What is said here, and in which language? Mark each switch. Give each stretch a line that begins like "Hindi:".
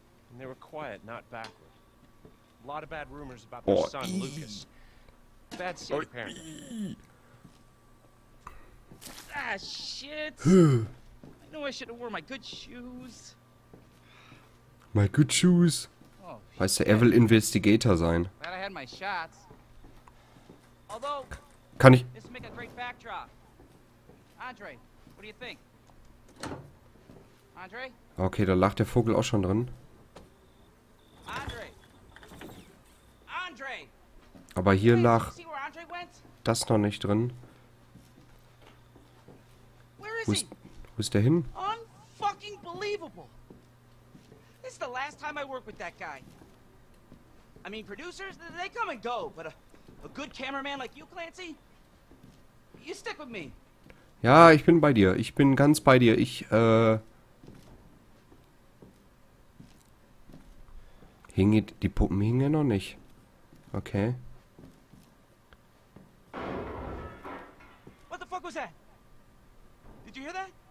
English: And they were quiet, not backward. A lot of bad rumors about their son, Lucas. Bad side, apparently. Ah, shit! I knew I should have worn my good shoes. My good shoes?
German: Oh, weißt du, er will Investigator sein.
English: Glad I had my shots. Although,
German: kann ich.
English: This will make a great backdrop. Andre, what do you think? Andre?
German: Okay, da lacht der Vogel auch schon drin.
English: Andre! Andre!
German: Aber hier lag das noch nicht drin. Wo ist der hin?
English: Unfucking unbelievable. This is the last time I work with that guy. I mean, producers, they come and go, but a good cameraman like you, Clancy, you stick with me.
German: Ja, ich bin bei dir. Ich bin ganz bei dir. Ich, die Puppen hingen noch nicht. Okay.
English: What the fuck was that? Did you hear that?